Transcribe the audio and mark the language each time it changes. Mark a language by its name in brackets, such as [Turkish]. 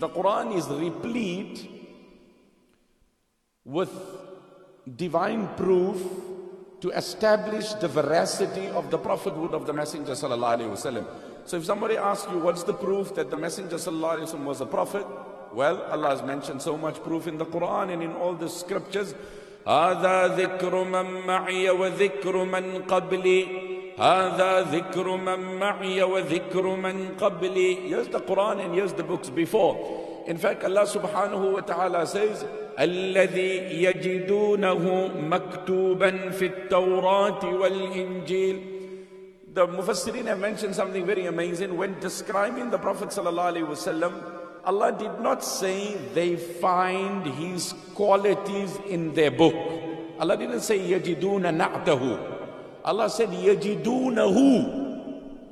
[English] The Quran is replete with divine proof to establish the veracity of the prophethood of the Messenger sallallahu alaihi wasallam. So if somebody asks you, what's the proof that the Messenger sallallahu alaihi wasallam was a prophet? Well, Allah has mentioned so much proof in the Quran and in all the scriptures. [Arabic] هذا ذكر من معي وذكر من قبلي. هذا ذكر من معي وذكر من قبلي. [English] Here's the Quran and here's the books before. In fact, Allah subhanahu wa ta'ala says, [Arabic] الذي يجدونه مكتوبا في التوراة والإنجيل. [English] The Mufassirin have mentioned something very amazing. When describing the Prophet sallallahu alaihi wasallam, Allah did not say they find his qualities in their book. Allah didn't say [Arabic] yajiduna na'tahu. [English] Allah said [Arabic] yajidunahu.